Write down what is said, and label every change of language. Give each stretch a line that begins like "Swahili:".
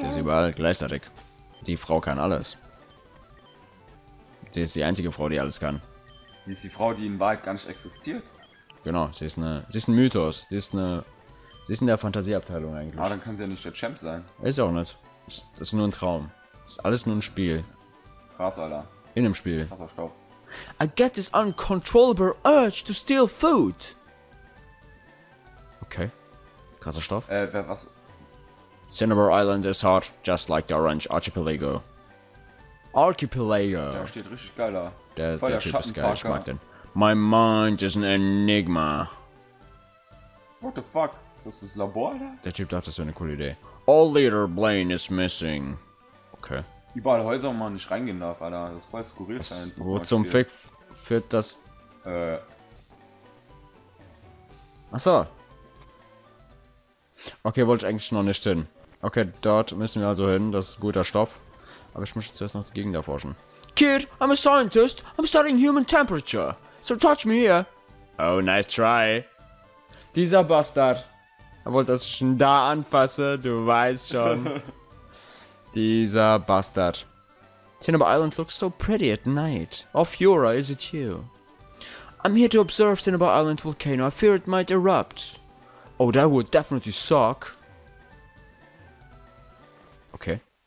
German: Die ist überall gleichzeitig. Die Frau kann alles. Die ist die einzige Frau, die alles kann. Sie ist die Frau, die in Wahrheit gar nicht existiert. Genau, sie ist ein Mythos. Sie ist in der Fantasieabteilung eigentlich. Aber dann kann sie ja nicht der Champ sein. Ist auch nicht. Das ist nur ein Traum. Das ist alles nur ein Spiel. Krass, Alter. In einem Spiel. Krasser Staub.
English: I get this uncontrollable urge to steal food.
German: Okay. Krasser Staub. Wer was?
English: Cinnabar Island is hot, just like the Orange Archipelago. Archipelago.
German: Der steht richtig geil da. Der Typ ist geil, ich mag den.
English: My mind is an enigma. What the fuck?
German: Ist das das Labor, Alter? Der Typ dachte, das wäre eine coole Idee.
English: All leader Blaine is missing. Okay.
German: Überall Häuser, wo man nicht reingehen darf, Alter. Das ist voll skurril. Wo zum Fick führt das? Achso. Okay, wollte ich eigentlich noch nicht hin. Okay, dort müssen wir also hin. Das ist guter Stoff. Aber ich möchte zuerst noch die Gegend erforschen.
English: Kid, I'm a scientist. I'm studying human temperature. So touch me here. Oh, nice try.
German: Dieser Bastard. Er wollte, dass ich schon da anfasse. Du weißt schon. Dieser Bastard.
English: Cinnabar Island looks so pretty at night. Ophiura, is it you? I'm here to observe Cinnabar Island volcano. I fear it might erupt. Oh, that would definitely suck. Okay.